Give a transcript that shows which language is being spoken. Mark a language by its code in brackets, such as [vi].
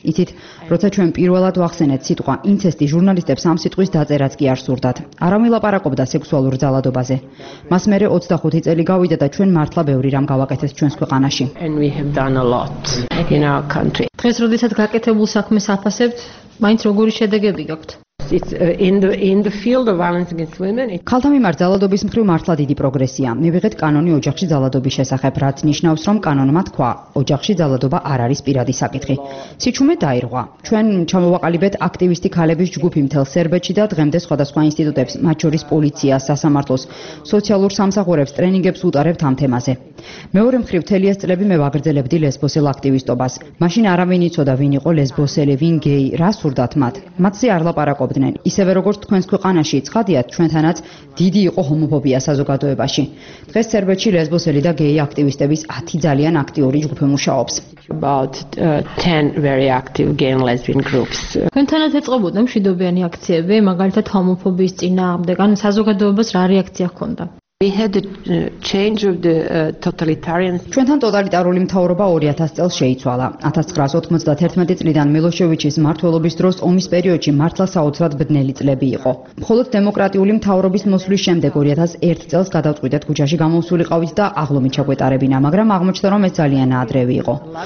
[ka] იცით, როცა ჩვენ პირველად ვახსენეთ სიტყვა ინცესტი, ჟურნალისტებს ამ სიტყვის დაწერაც კი არ სურდათ. არ ამილაპარაკობდა სექსუალურ ძალადობაზე. მას მერე 25 წელი გავიდა და ჩვენ მართლა ბევრი რამ გავაკეთეთ ჩვენს ქვეყანაში. დღეს როდესაც გაკეთებულ საქმეს აფასებთ, მაინც როგორი შედეგები გაქვთ? [en] In the field of violence against women, [ka] ქალთა მიმართ ძალადობის მხრივ მართლა დიდი პროგრესია. მივიღეთ კანონი ოჯახში ძალადობის შესახებ, რაც ნიშნავს, რომ კანონმა თქვა, ოჯახში ძალადობა არ არის პირადი საკითხი. სიჩუმე დაირღვა. ჩვენ ჩამოვაყალიბეთ აქტივისტი ქალების ჯგუფი მთელ სერბეთში და დღემდე სხვადასხვა ინსტიტუტებს, მათ შორის პოლიციას, სასამართლოს, სოციალურ სამსახურებს ტრენინგებს უტარებთ ამ თემაზე. მეორე მხრივ, მთელი ეს წლები მე ვაგრძელებდი ლესბოსელ აქტივისტობას. მაშინ არავინ იცოდა, ვინ იყო ლესბოსელი, ვინ გეი, რა სურდათ მათ. მათზე არ ლაპარაკობდნენ. ისევე როგორც თქვენს ქვეყანაში, ცხადიათ, ჩვენთანაც დიდი იყო ჰომოფობია საზოგადოებაში. დღეს სერბეთში ლესბოსელი და გეი აქტივისტების 10 ძალიან აქტიური ჯგუფი მუშაობს. [en] About 10 very active gay and lesbian groups. [ka] ჩვენთანაც ეწყობოდა მშვიდობიანი აქციები, მაგალითად ჰომოფობიის წინააღმდეგ. ან საზოგადოებას რა რეაქცია ჰქონდა? [en] We had the change of the totalitarian. [ka] ჩვენთან ტოტალიტარული მთავრობა 2000 წელს შეიცვალა. 1991 წლიდან მილოშევიჩის მმართველობის დროს ომის პერიოდში მართლა საოცრად ბნელი წლები იყო. მხოლოდ დემოკრატიული მთავრობის მოსვლის შემდეგ 2001 წელს გადავწყვიტეთ ქუჩაში გამოსულიყავით და აღლომი ჩაგვეტარებინა, მაგრამ აღმოჩნდა, რომ ეს ძალიან ადრევი იყო.